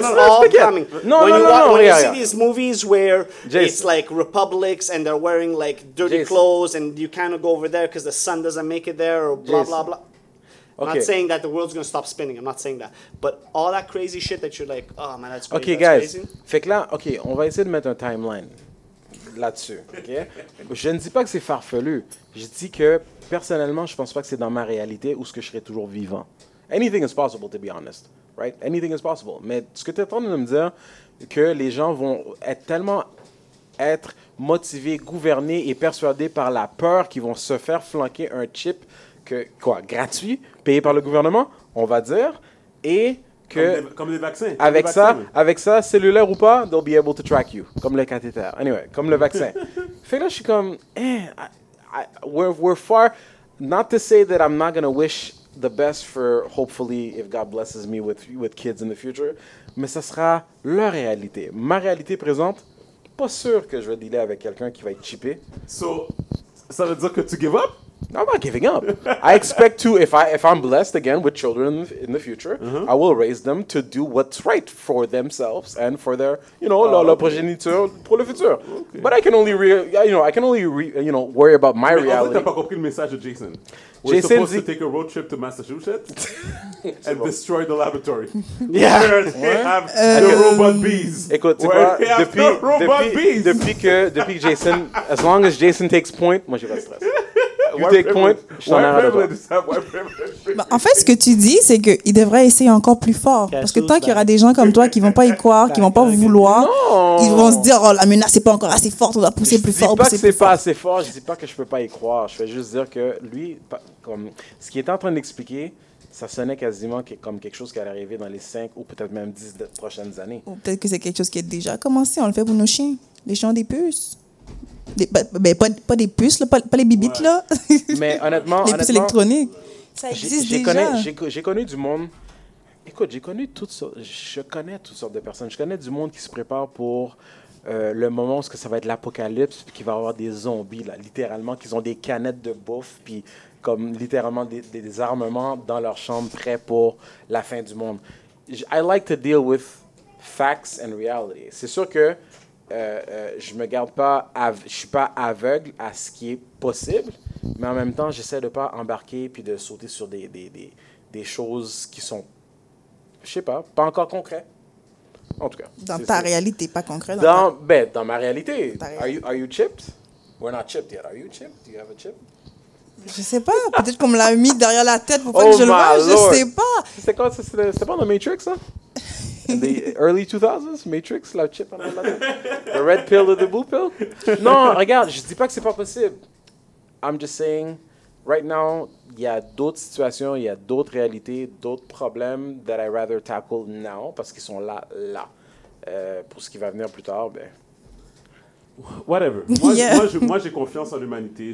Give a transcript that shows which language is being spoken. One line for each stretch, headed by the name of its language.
English: When you see these movies where it's like republics and they're wearing like dirty clothes and you kind of go over there because the sun doesn't make it there or blah, blah, blah. I'm not saying that the world's going to stop spinning. I'm not saying that. But all that crazy shit that you're like, oh, man, that's crazy. Okay, guys.
French: Fait que là, OK, on va essayer de mettre un timeline là-dessus. OK? Je ne dis pas que c'est farfelu. Je dis que... Personnellement, je pense pas que c'est dans ma réalité ou ce que je serais toujours vivant.
English: Anything is possible, to be honest, right? Anything is possible.
French: Mais ce que tu es en train de me dire, que les gens vont être tellement être motivés, gouvernés et persuadés par la peur qu'ils vont se faire flanquer un chip que quoi, gratuit, payé par le gouvernement, on va dire, et que comme des vaccins. Avec des vaccins, ça, oui. Avec ça, cellulaire ou pas,
English: they'll be able to track you,
French: comme le cathéter. Anyway, comme le vaccin. Fait que là, je suis comme,
English: we're far, not to say that I'm not going to wish the best for, hopefully, if God blesses me with kids in the future,
French: mais ça sera leur réalité. Ma réalité présente, pas sûr que je vais dealer avec quelqu'un qui va être chippé. So, ça veut dire que tu
English: give up? I'm not giving up. I expect to, if I'm blessed again with children in the future, I will raise them to do what's right for themselves and for their, you know,
French: leur progéniture pour le futur.
English: Okay. But I can only, worry about my reality.
French: Mais t'as pas compris le message de Jason.
English: We're supposed to take a road trip to Massachusetts and destroy the laboratory. Yeah. Where they have the robot bees.
French: Écoute, tu vois, depuis que Jason,
English: as long as Jason takes point,
French: moi j'ai pas de stress. En fait, ce que tu dis, c'est qu'ils devraient essayer encore plus fort. Parce que tant qu'il y aura des gens comme toi qui ne vont pas y croire, qui ne vont pas vouloir, ils vont se dire, oh, la menace n'est pas encore assez forte, on doit pousser plus fort. Je ne dis pas que ce n'est pas assez fort, je ne dis pas que je ne peux pas y croire. Je vais juste dire que lui, comme, ce qu'il était en train d'expliquer, ça sonnait quasiment comme quelque chose qui allait arriver dans les 5 ou peut-être même 10 prochaines années. Ou peut-être que c'est quelque chose qui a déjà commencé. On le fait pour nos chiens. Les chiens ont des puces. Pas des puces, là, pas les bibites, là. Mais honnêtement, les puces électroniques, ça existe déjà. J'ai connu du monde. Écoute, je connais toutes sortes de personnes. Je connais du monde qui se prépare pour le moment où ça va être l'apocalypse, puis qu'il va y avoir des zombies, là, littéralement, qu'ils ont des canettes de bouffe, puis comme littéralement des armements dans leur chambre prêts pour la fin du monde.
English: I like to deal with facts and reality.
French: C'est sûr que. Je me garde pas, je suis pas aveugle à ce qui est possible, mais en même temps, j'essaie de pas embarquer puis de sauter sur des choses qui sont, je sais pas encore concrets. En tout cas. Réalité, pas concret. Dans ma réalité.
English: Are you chipped? We're not chipped yet. Are you chipped? Do you have a chip?
French: Je sais pas. Peut-être qu'on me l'a mis derrière la tête pour pas que je le vois. Je sais pas. C'est quoi? C'est pas dans Matrix, ça?
English: The early 2000s, Matrix, la chip, the red pill or the blue pill?
French: Non, regarde, je dis pas que c'est pas possible.
English: I'm just saying, right now,
French: il y a d'autres situations, il y a d'autres réalités, d'autres problèmes
English: that I rather tackle now,
French: parce qu'ils sont là. Pour ce qui va venir plus tard, ben. Whatever. Moi, yeah. moi, j'ai confiance en l'humanité.